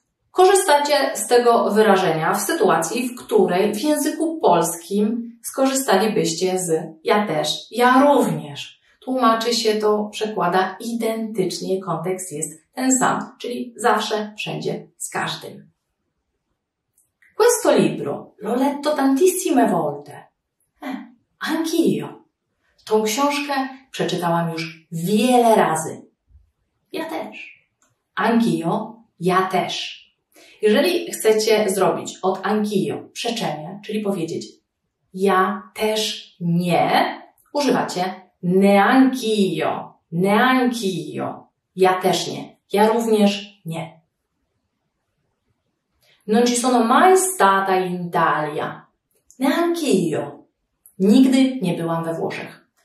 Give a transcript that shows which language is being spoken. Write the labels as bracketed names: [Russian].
[Polish] Korzystacie z tego wyrażenia w sytuacji, w której w języku polskim skorzystalibyście z ja też, ja również. Tłumaczy się to, przekłada identycznie, kontekst jest ten sam, czyli zawsze, wszędzie, z każdym. [Italian] Questo libro l'ho letto tantissime volte. Anch'io. [Polish] Tą książkę przeczytałam już wiele razy. Ja też. [Italian] Anch'io, [Polish] ja też. Jeżeli chcecie zrobić od anch'io przeczenie, czyli powiedzieć ja też nie, używacie [Italian] neanch'io, neanch'io, [Polish] ja też nie, ja również nie. [Italian] Non ci sono mai stata in Italia. Neanch'io. [Polish] Nigdy nie byłam we Włoszech.